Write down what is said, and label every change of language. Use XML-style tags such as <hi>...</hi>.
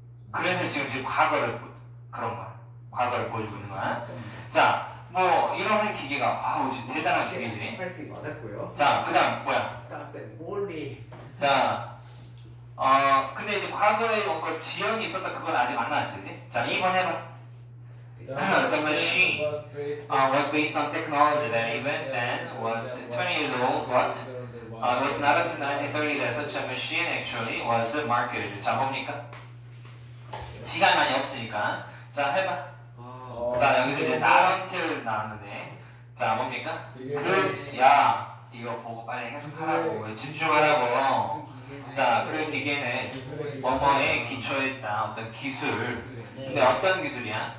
<ko>그래서 지금 과거를, 그런 거야. 과거를 보여주고 있는 거야. 자. 뭐 이런 기계가 아우 진짜 대단한 기계지. 18세기 맞았고요. 자 그다음 뭐야? 카페 몰리. 자, 근데 이제 과거에 뭔가 지형이 있었다 그건 아직 안 나왔지, 그지? 자 2번 해봐.</ko> <en>The machine was based on technology that even then was 20 years old, but was not until 1930 that such a machine actually was marketed.</en> <ko>자 뭡니까? 시간 많이 없으니까 자 해봐. 자 여기서 이제 나란틀 나왔는데 자 뭡니까? 그 야 이거 보고 빨리 해석하라고 집중하라고 자 그 기계는 뭐뭐에 기초했다 어떤 기술 근데 어떤 기술이야?</ko>